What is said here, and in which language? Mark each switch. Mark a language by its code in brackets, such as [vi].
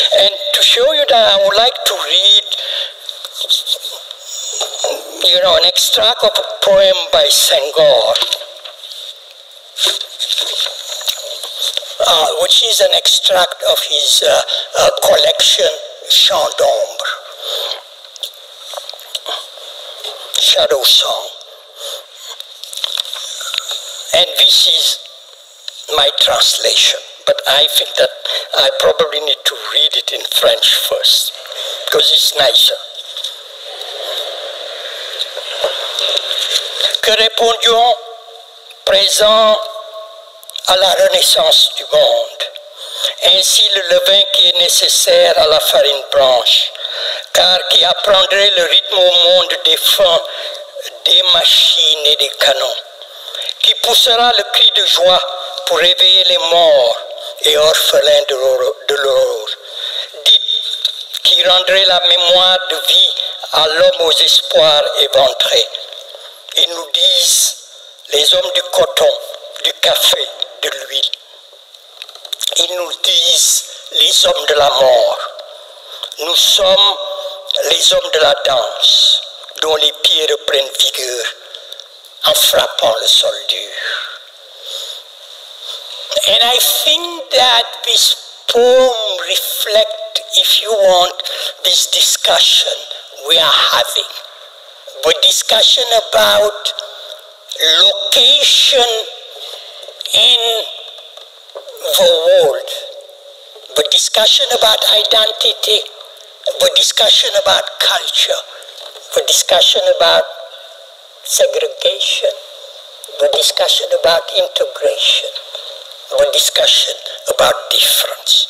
[en] And to show you that, I would like to read, you know, an extract of a poem by Senghor, which is an extract of his collection, Chant d'Ombre, Shadow Song. And this is my translation, but I think that I probably need to read it in French first, because it's nicer. [fr] Que répondions présent à la renaissance du monde, ainsi le levain qui est nécessaire à la farine blanche, car qui apprendrait le rythme au monde des fonds, des machines et des canons, qui poussera le cri de joie pour réveiller les morts et orphelins de l'aurore, dites, qui rendrait la mémoire de vie à l'homme aux espoirs éventrés. Ils nous disent, les hommes du coton, du café, de l'huile. Ils nous disent, les hommes de la mort. Nous sommes les hommes de la danse, dont les pieds reprennent vigueur en frappant le sol dur. [en] And I think that this poem reflects, if you want, this discussion we are having. The discussion about location in the world, the discussion about identity, the discussion about culture, the discussion about segregation, the discussion about integration, the discussion about difference.